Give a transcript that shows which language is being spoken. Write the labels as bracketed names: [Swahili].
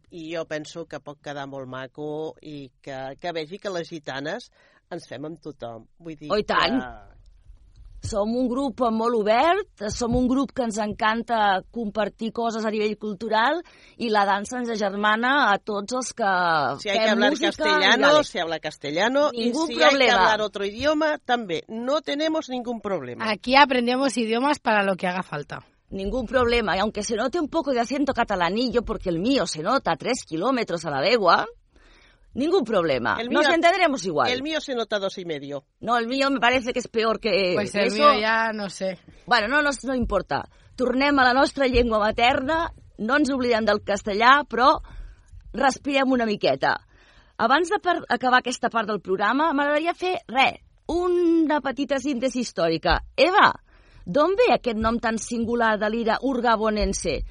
[Catalan] I jo penso que pot quedar molt maco i que vegi que les gitanes ens fem amb tothom. Vull dir, oi tant! Som un grup molt obert, som un grup que ens encanta compartir coses a nivell cultural i la dansa ens agermana a tots els que si fem música. [Spanish] Si hay que hablar castellano, [Catalan] ningú i si problema. [Spanish] Hay que hablar otro idioma, [Catalan] també. [Spanish] No tenemos ningún problema. Aquí aprendemos idiomas para lo que haga falta. Ningún problema. Y aunque se note un poco de acento catalanillo, porque el mío se nota a 3 kilómetros a la legua, ningún problema. Nos entenderemos igual. El mío se nota 2.5. No, el mío me parece que es peor que pues el eso. Mío ya no sé. Bueno, no importa. [Catalan] Tornem a la nostra llengua materna, no ens oblidem del castellà, però respirem una miqueta. Abans de acabar aquesta part del programa, m'agradaria fer, una petita síntesi històrica. Eva, d'on ve aquest nom tan singular de l'ira urgabonense?